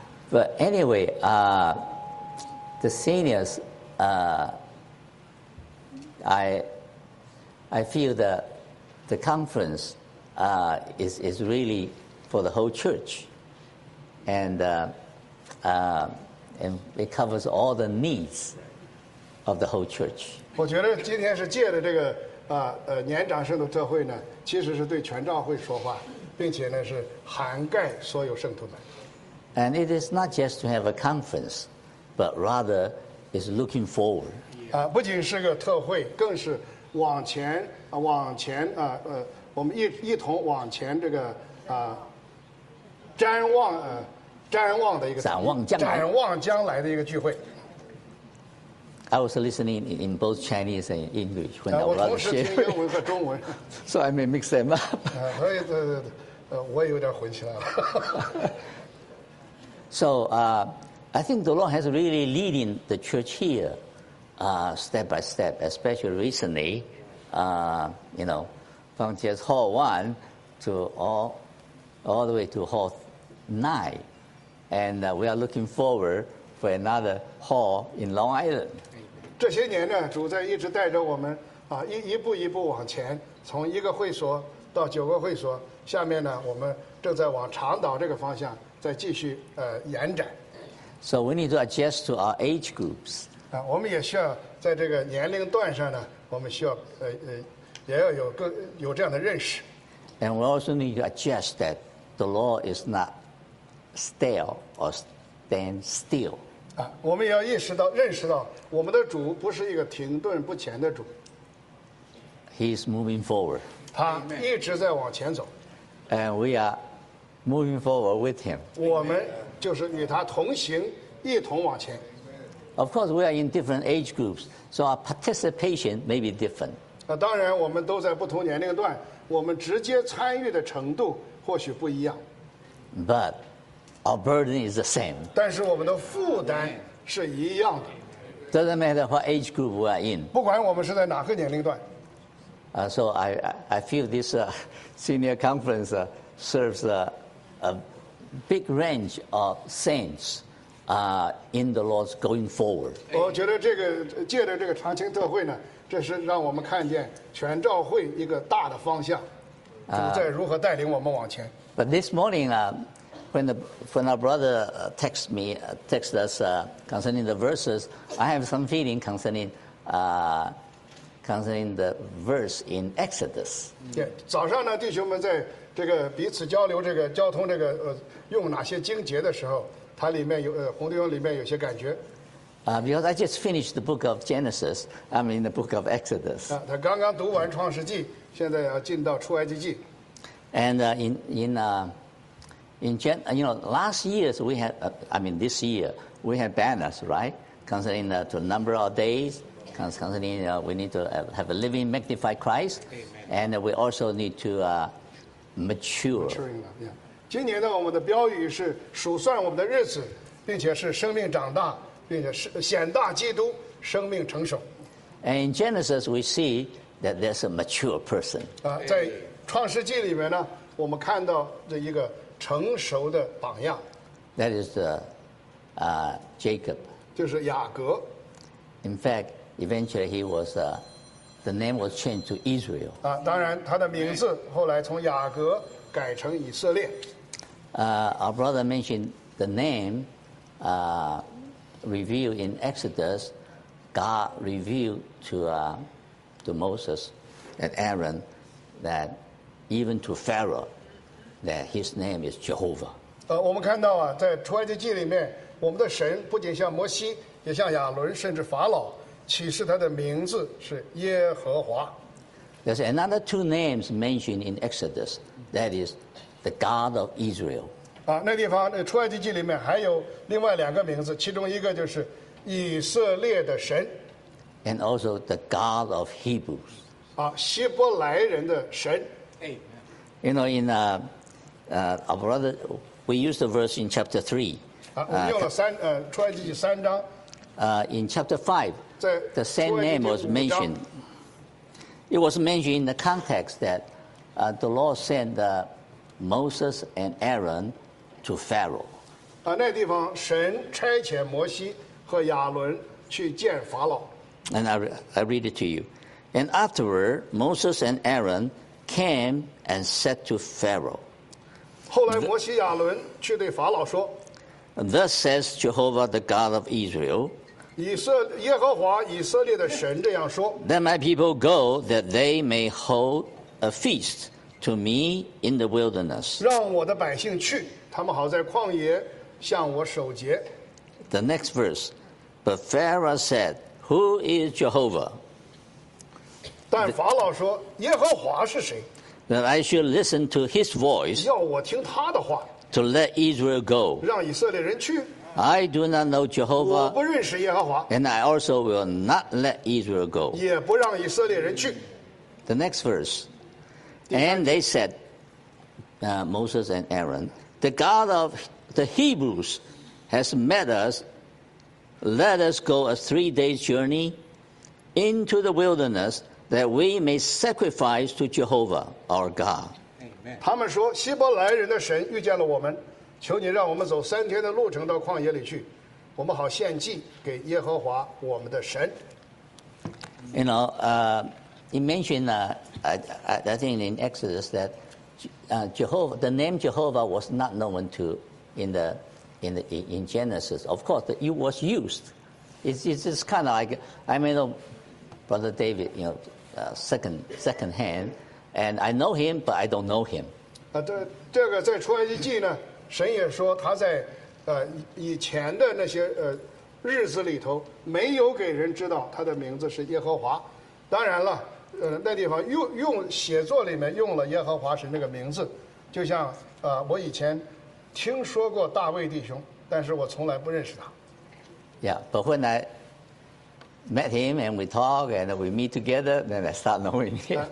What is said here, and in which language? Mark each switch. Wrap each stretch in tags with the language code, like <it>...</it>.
<en>But anyway, the seniors, I feel that the conference, is really for the whole church. And it covers all the needs of the whole church.</en> <zh>我觉得今天是借着这个年长圣徒特会呢，其实是对全教会说话，并且呢是涵盖所有圣徒们。</zh> <en>And it is not just to have a conference, but rather is looking forward.</en> <zh>不仅是个特会，更是往前我们一同往前这个瞻望展望将来的一个聚会。</zh> <en>I was listening in both Chinese and English when I was sharing.</en> <zh>我同时听英文和中文。</zh> <en>So I may mix them up.</en> <zh>我也有点混起来了。</zh> <en>So I think the Lord has really leading the church here, step by step, especially recently. You know, from just Hall 1 to all the way to Hall 9. And we are looking forward for another hall in Long Island.</en> <zh>这些年呢，主在一直带着我们一步一步往前，从一个会所到九个会所，下面呢，我们正在往长岛这个方向再继续延展。</zh> <en>So we need to adjust to our age groups.</en> <zh>我们也需要在这个年龄段上呢，我们需要也要有这样的认识。</zh> <en>And we also need to adjust that the law is not. Stale or stand still.</en> <zh>我们要意识到、认识到，我们的主不是一个停顿不前的主。</zh> <en>He is moving forward.</en> <zh>他一直在往前走。</zh> <en>And we are moving forward with him.</en> <zh>我们就是与他同行，一同往前。</zh> <en>Of course, we are in different age groups, so our participation may be different.</en> <zh>当然，我们都在不同年龄段，我们直接参与的程度或许不一样。</zh> <en>But Our burden is the same.</en> <zh>但是我们的负担是一样的。</zh> <en>Doesn't matter what age group we are in.</en> <zh>不管我们是在哪个年龄段。</zh> <en>So I feel this senior conference serves a big range of saints in the Lord's going forward.</en> <zh>我觉得这个借着这个长青特会呢，这是让我们看见全召会一个大的方向，主在如何带领我们往前。</zh> <en>But this morning, When our brother texts us concerning the verses, I have some feeling concerning the verse in Exodus.</en> <zh>Yeah, 早上呢，弟兄们在这个彼此交流这个交通这个用哪些经节的时候，它里面有红弟兄里面有些感觉。</zh> <en>Because I just finished the book of Genesis, I'm in the book of Exodus.</en> <zh>他刚刚读完创世纪，现在要进到出埃及记。</zh> <en>And in Last year, we had, this year, we had banners, right? Concerning the number of days, concerning we need to have a living, magnified Christ. Amen. And we also need to mature. And in Genesis, we see that there's a mature person.</en> <zh>在创世纪里面呢，我们看到这一个成熟的榜样。</zh> <en>That is the, Jacob.</en> <zh>就是雅各。</zh> <en>In fact, eventually he was, the name was changed to Israel.</en> <zh>当然他的名字后来从雅各改成以色列。</zh> <en>Our brother mentioned the name, revealed in Exodus. God revealed to Moses and Aaron that even to Pharaoh that his name is Jehovah.</en> <zh>我们看到啊，在出埃及记里面，我们的神不仅像摩西，也像亚伦，甚至法老，启示他的名字是耶和华。</zh> <en>There's another two names mentioned in Exodus. That is the God of Israel.</en> <zh>那地方那出埃及记里面还有另外两个名字，其中一个就是以色列的神。</zh> <en>And also the God of Hebrews.</en> <zh>希伯来人的神。</zh> <en>You know, in our brother, we use the verse in chapter 3.</en> <zh>我们用了三出埃及记三章。</zh> <en>In chapter 5, the same name was mentioned. It was mentioned in the context that the Lord sent Moses and Aaron to Pharaoh.</en> <zh>那地方神差遣摩西和亚伦去见法老。</zh> <en>And I read it to you. And afterward, Moses and Aaron came and said to Pharaoh.</en> <zh>后来摩西亚伦去对法老说。</zh> <en>Thus says Jehovah, the God of Israel.</en> <zh>耶和华以色列的神这样说。</zh> <en>Let my people go that they may hold a feast to me in the wilderness.</en> <zh>让我的百姓去，他们好在旷野向我守节。</zh> <en>The next verse. But Pharaoh said,Who is Jehovah?</en> <zh>但法老说，耶和华是谁？</zh> <en>That I should listen to his voice.</en> <zh>要我听他的话。</zh> <en>To let Israel go.</en> <zh>让以色列人去。</zh> <en>I do not know Jehovah.</en> <zh>我不认识耶和华。</zh> <en>And I also will not let Israel go.</en> <zh>也不让以色列人去。</zh> <en>The next verse. And they said, Moses and Aaron, the God of the Hebrews has met us. Let us go a 3 days journey into the wilderness that we may sacrifice to Jehovah our God.</en> <zh>他们说希伯来人的神遇见了我们，求你让我们走三天的路程到旷野里去，我们好献祭给耶和华我们的神。</zh> <en>You know, you mentioned, I think in Exodus that Jehovah, the name Jehovah was not known to in Genesis, of course, it was used. It's kind of like, Brother David, second hand, and I know him, but I don't know him.</en> <zh>这个在出埃及记呢，神也说他在以前的那些日子里头没有给人知道他的名字是耶和华。当然了，那地方用写作里面用了耶和华神这个名字，就像我以前。听说过大卫弟兄，但是我从来不认识他。</zh> <en>Yeah, but when I met him and we talk and we meet together, then I start knowing him.</en>